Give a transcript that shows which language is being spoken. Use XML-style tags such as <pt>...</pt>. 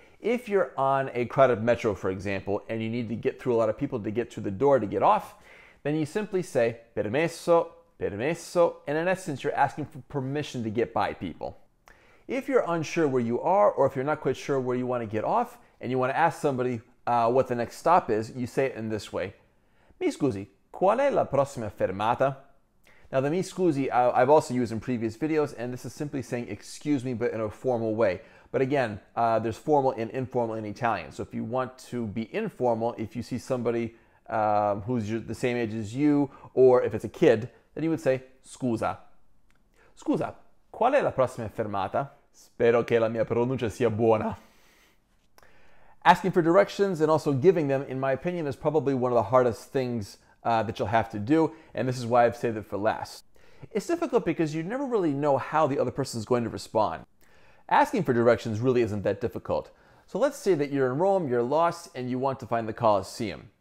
<en>If you're on a crowded metro, for example, and you need to get through a lot of people to get to the door to get off, then you simply say,</en> <it>permesso, permesso,</it> <en>and in essence, you're asking for permission to get by people. If you're unsure where you are, or if you're not quite sure where you want to get off, and you want to ask somebody what the next stop is, you say it in this way.</en> <it>Mi scusi, qual è la prossima fermata?</it> <en>Now, the</en> <it>mi scusi</it> <en>I've also used in previous videos, and this is simply saying excuse me, but in a formal way. But again, there's formal and informal in Italian. So if you want to be informal, if you see somebody who's the same age as you, or if it's a kid, then you would say scusa.</en> <it>Scusa, qual è la prossima fermata? Spero che la mia pronuncia sia buona.</it> <en>Asking for directions and also giving them, in my opinion, is probably one of the hardest things that you'll have to do, and this is why I've saved it for last. It's difficult because you never really know how the other person is going to respond. Asking for directions really isn't that difficult. So let's say that you're in Rome, you're lost, and you want to find the Colosseum.</en>